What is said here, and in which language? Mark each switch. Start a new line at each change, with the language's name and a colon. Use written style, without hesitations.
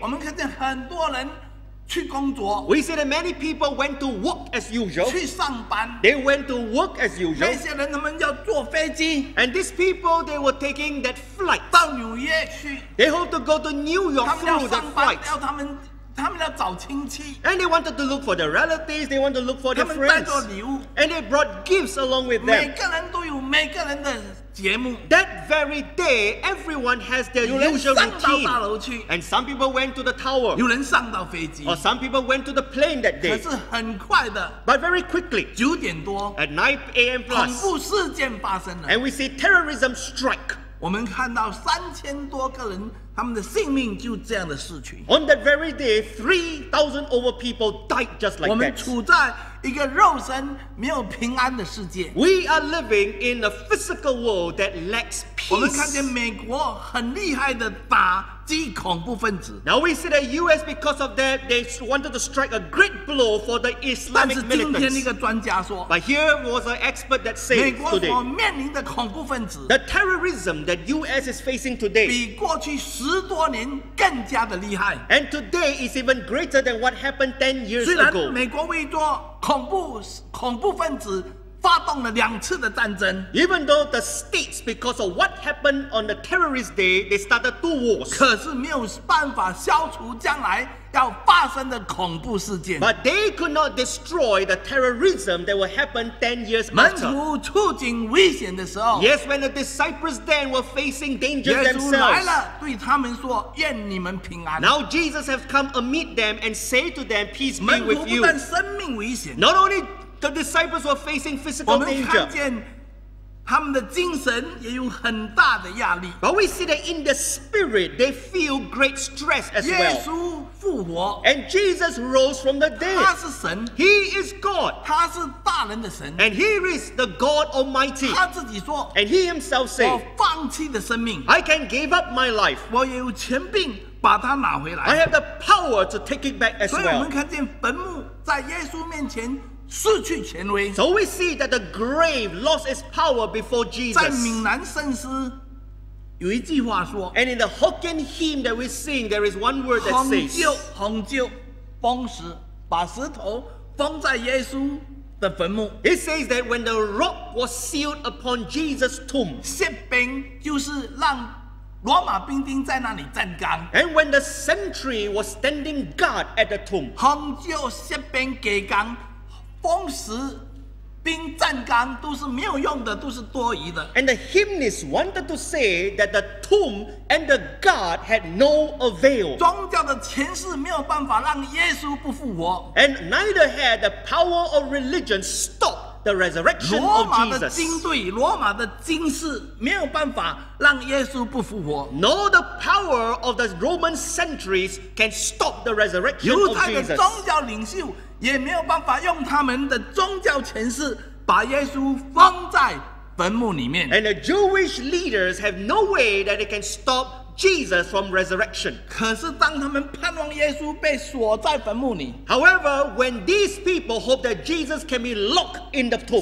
Chinese: 我们看见很多人去工作。
English: We see that many people went to work as usual.
Chinese: 去上班。
English: They went to work as usual.
Chinese: 那些人他们要坐飞机。
English: And these people, they were taking that flight.
Chinese: 到纽约去。
English: They hope to go to New York for the flight.
Chinese: 他们要找亲戚
English: ，and they wanted to look for their relatives. They wanted to look for their friends.
Chinese: 他们带着礼物
English: ，and they brought gifts along with them.
Chinese: 每个人都有每个人的节目。
English: That very day, everyone has their usual routine.
Chinese: 有人上到大楼去
English: ，and some people went to the tower.
Chinese: 有人上到飞机
English: ，or some people went to the plane that day.
Chinese: 可是很快的
English: ，but very quickly,
Chinese: 九点多
English: ，at 9 a.m. plus,
Chinese: 恐怖事件发生了
English: ，and we see terrorism strike.
Chinese: 我们看到3000多个人。他们的性命就这样的逝去。
English: On that very day, 3,000 over people died just like that.
Chinese: 我们处在一个肉身没有平安的世界。
English: We are living in a physical world that lacks peace.
Chinese: 我们看见美国很厉害的打击恐怖分子。
English: Now we see that U.S. because of that, they wanted to strike a great blow for the Islamic militants.
Chinese: 但是今天一个专家说
English: ，But here was an expert that said today,
Chinese: 美国所面临的恐怖分子
English: ，The terrorism that U.S. is facing today,
Chinese: 比过去10多年更加的厉害。
English: And today is even greater than what happened 10 years ago.
Chinese: 虽然美国为做恐怖分子发动了两次的战争。
English: Even though the states, because of what happened on the terrorist day, they started two wars.
Chinese: 可是没有办法消除将来要发生的恐怖事件。
English: But they could not destroy the terrorism that will happen 10 years after.
Chinese: 门徒处境危险的时候。
English: Yes, when the disciples then were facing danger themselves.
Chinese: 耶稣来了，对他们说：“愿你们平安。”
English: Now Jesus has come amid them and say to them, "Peace be with you."
Chinese: 门徒不但生命危险。
English: Not only the disciples were facing physical danger.
Chinese: 我们看见他们的精神也有很大的压力。
English: But we see that in the spirit, they feel great stress as well.
Chinese: 耶稣复活。
English: And Jesus rose from the dead.
Chinese: 他是神。
English: He is God.
Chinese: 他是大能的神。
English: And he is the God Almighty.
Chinese: 他自己说。
English: And he himself said,
Chinese: 我放弃的生命。
English: I can give up my life.
Chinese: 我也有权柄把它拿回来。
English: I have the power to take it back as well.
Chinese: 所以我们看见坟墓在耶稣面前失去权威。
English: So we see that the grave lost its power before Jesus.
Chinese: 在闽南圣诗有一句话说。
English: And in the Hokkien hymn that we sing, there is one word that says,
Chinese: 红旧封石，把石头封在耶稣的坟墓。
English: It says that when the rock was sealed upon Jesus' tomb,
Chinese: 锡兵就是让罗马兵丁在那里站岗。
English: And when the sentry was standing guard at the tomb,
Chinese: 红旧锡兵隔岗。封石兵站岗都是没有用的，都是多余的。
English: And the hymnist wanted to say that the tomb and the guard had no avail.
Chinese: 宗教的权势没有办法让耶稣不复活。
English: And neither had the power of religion stop the resurrection of Jesus.
Chinese: 罗马的军队，罗马的军事没有办法让耶稣不复活。
English: Nor the power of the Roman centuries can stop the resurrection of Jesus.
Chinese: 犹太的宗教领袖也没有办法用他们的宗教权势把耶稣封在坟墓里面。
English: And the Jewish leaders have no way that they can stop Jesus from resurrection.
Chinese: 可是当他们盼望耶稣被锁在坟墓里。
English: However, when these people hope that Jesus can be locked in the tomb.